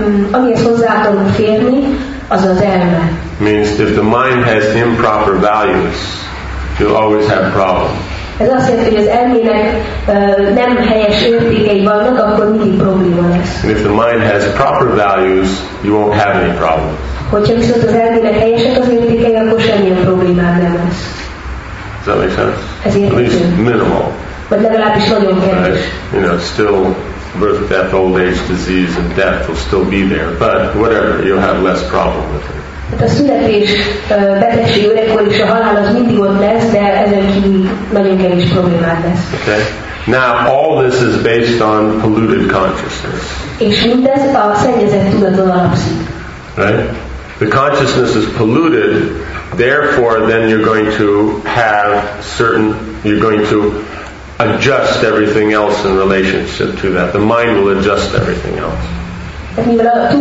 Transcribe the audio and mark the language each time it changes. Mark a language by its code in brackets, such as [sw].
[hu] Amihez hozzá akarunk férni, az az elme. [en] Means if the mind has improper values, you'll always have problems. [hu] Ez azt jelenti, hogy az elmének nem helyes értékei vannak, akkor mindig probléma lesz. [en] If the mind has proper values, you won't have any problems. [hu] Hogyha viszont az elmélet helyeset az értékei, akkor semmilyen problémám nem lesz. Ez minimal. But legalábbis nagyon kevés. [en] You know, still birth, death, old age, disease, and death will still be there. But whatever, you'll have less problem with it. [hu] Hát a születés, betegség, öregkor és a halál az mindig ott lesz, de ezen kívül nagyon kevés problémád lesz. [en] Okay. Now all this is based on polluted consciousness. [hu] És mindez a szennyezett tudaton alapszik. [en] Right? The consciousness is polluted, therefore then you're going to have certain, you're going to adjust everything else in relationship to that. The mind will adjust everything else.